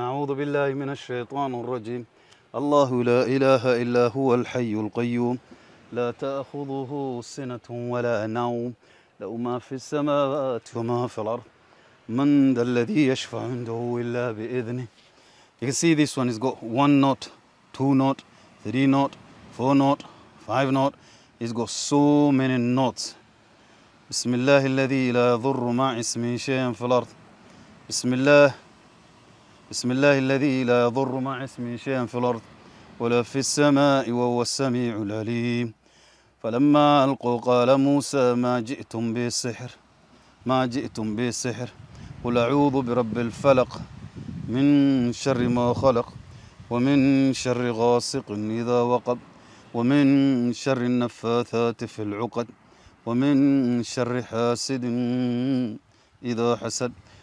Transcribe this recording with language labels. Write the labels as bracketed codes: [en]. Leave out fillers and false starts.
[ar] أعوذ بالله من الشيطان الرجيم. الله لا إله إلا هو الحي القيوم لا تأخذه سنة ولا نوم له ما في السماوات وما في الأرض من ذا الذي يشفع عنده إلا بإذنه. [en] You can see this one has got 1 knot, 2 knot, 3 knot, 4 knot, 5 knot. It's got so many knots. [ar] بسم الله الذي لا يضر مع اسمه شيء في الأرض. بسم الله. بسم الله الذي لا يضر مع اسمه شيئا في الأرض ولا في السماء وهو السميع العليم. فلما ألقوا قال موسى ما جئتم به السحر ما جئتم به السحر قل أعوذ برب الفلق من شر ما خلق ومن شر غاسق إذا وقب ومن شر النفاثات في العقد ومن شر حاسد إذا حسد.